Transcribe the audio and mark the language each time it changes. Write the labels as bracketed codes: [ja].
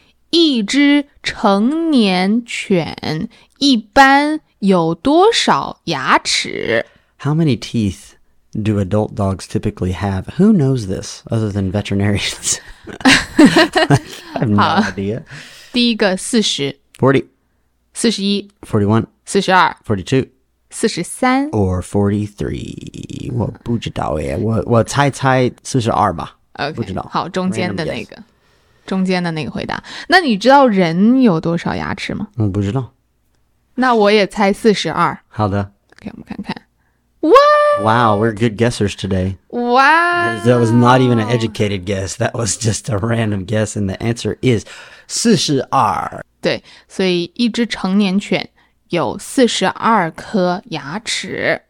[zh] 一只成年犬一般有多少牙齿？ [en] How many teeth do adult dogs typically have? Who knows this other than veterinarians? I have no idea. [zh] 第一个40。 40。 41 41 42 42 43 [en] Or 43 [zh] 我不知道耶 我猜猜42吧 [en] OK [zh] 不知道好中间的那个、yes. 中间的那个回答那你知道人有多少牙齿吗不知道那我也猜42 好的给我们看看 What? [en] Wow we're good guessers today Wow That was not even an educated guess That was just a random guess And the answer is 42 [zh] 对，所以一只成年犬有42颗牙齿。